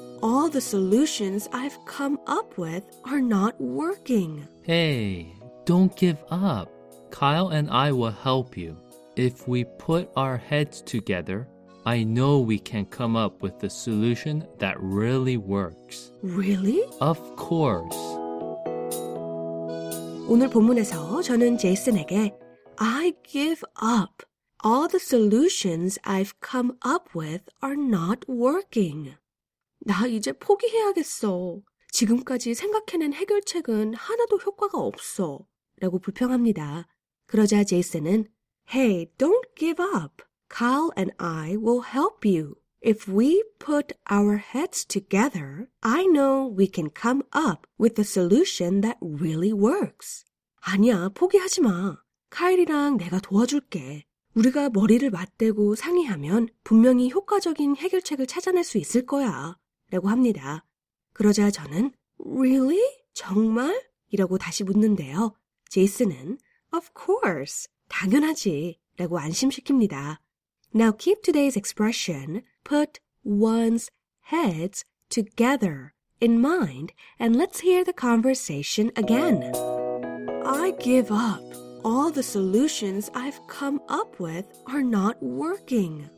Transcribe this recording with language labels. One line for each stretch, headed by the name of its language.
English: All the solutions I've come up with are not working. Hey, don't give up. Kyle and I will help you. If we put our heads together, I know we can come up with a solution that really works. Really? Of course.
Korean: 오늘 본문에서 저는 제이슨에게
English: I give up. All the solutions I've come up with are not working.
Korean: 나 이제 포기해야겠어. 지금까지 생각해낸 해결책은 하나도 효과가 없어. 라고 불평합니다. 그러자 제이슨은
English: Hey, don't give up. Kyle and I will help you. If we put our heads together, I know we can come up with a solution that really works.
Korean: 아니야, 포기하지 마. 카일이랑 내가 도와줄게. 우리가 머리를 맞대고 상의하면 분명히 효과적인 해결책을 찾아낼 수 있을 거야. 라고 합니다. 그러자 저는
English: Really?
Korean: 정말? 이라고 다시 묻는데요. 제이슨은
English: Of course.
Korean: 당연하지. 라고 안심시킵니다.
English: Now keep today's expression, put one's heads together in mind, and let's hear the conversation again. I give up. All the solutions I've come up with are not working.